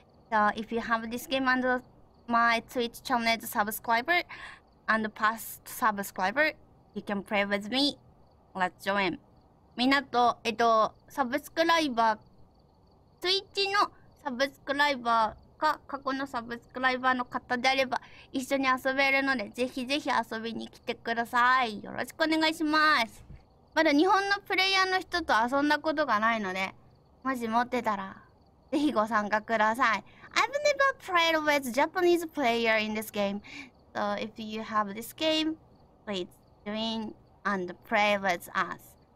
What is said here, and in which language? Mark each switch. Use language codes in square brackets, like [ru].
[en] So if you have this game and my Twitch channel subscriber and past subscriber, you can play with me. Let's join. [ja] みんなと、サブスクライバーツイッチのサブスクライバーか過去のサブスクライバーの方であれば一緒に遊べるのでぜひぜひ遊びに来てください。よろしくお願いします。まだ日本のプレイヤーの人と遊んだことがないので、もし持ってたらぜひご参加ください。 [en] I've never played with Japanese player in this game. So if you have this game, please join and play with us.